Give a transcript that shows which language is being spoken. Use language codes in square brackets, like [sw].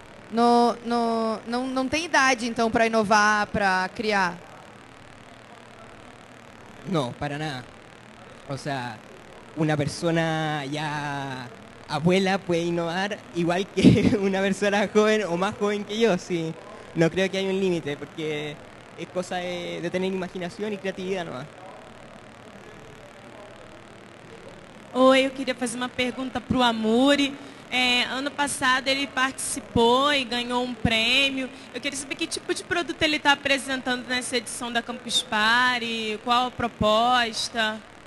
[pt] Não tem idade, então, para inovar, para criar? Não, para nada. Ou seja, [es] una persona ya abuela puede innovar igual que una persona joven o más joven que yo, sí. No creo que haya un límite, porque es cosa de tener imaginación y creatividad nomás. [pt] Oi, eu queria fazer uma pergunta para o Amuri. É, ano passado ele participou e ganhou um prêmio. Eu queria saber que tipo de produto ele está apresentando nessa edição da Campus Party, qual a proposta.